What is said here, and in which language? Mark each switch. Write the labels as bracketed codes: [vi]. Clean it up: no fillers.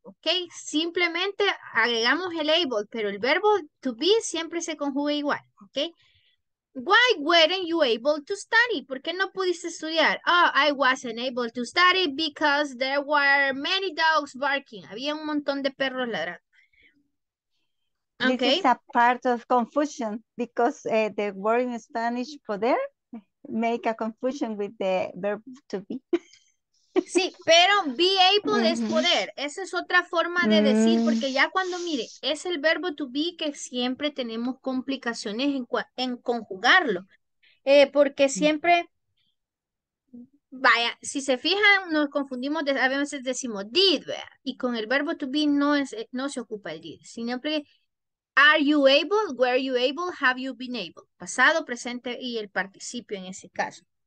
[es] Ok, simplemente agregamos el able, pero el verbo to be siempre se conjuga igual. [en] Ok. Why weren't you able to study? [es] ¿Por qué no pudiste estudiar? [en] Oh, I wasn't able to study because there were many dogs barking. [es] Había un montón de perros ladrando. [en] Okay. This is a part of confusion because the word in Spanish for there make a confusion with the verb to be. [es] Sí, pero be able es poder. Esa es otra forma de decir, porque ya cuando mire, es el verbo to be que siempre tenemos complicaciones en conjugarlo. Porque siempre, vaya, si se fijan, nos confundimos, a veces decimos did, ¿verdad? Y con el verbo to be no se ocupa el did. Siempre, [en] are you able, were you able, have you been able. [es] Pasado, presente y el participio en ese caso.